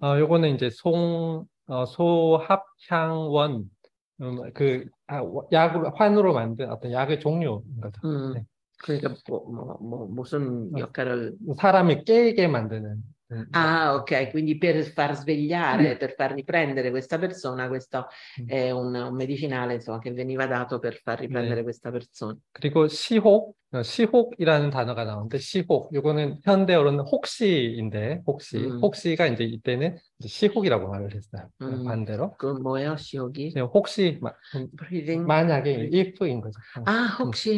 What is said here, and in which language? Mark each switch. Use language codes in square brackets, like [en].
[ko] 요거는 이제 소합향원 약을 환으로 만든 어떤 약의 종류인 거죠. 그러니까 뭐 무슨 역할을 사람이 깨게 만드는. [it] 아, ok, quindi per far svegliare, per far riprendere questa persona, questo è un medicinale, insomma, che veniva dato per far riprendere 네. questa persona. [ko] 그리고 시혹이라는 단어가 나오는데 시혹, 요거는 현대어로는 혹시인데, 혹시. 혹시가 이제 이때는 이제 시혹이라고 말을 했어요. 반대로. 그럼 뭐예요, 시혹이? 네, 혹시 만약에 if인 거죠. 아, 혹시.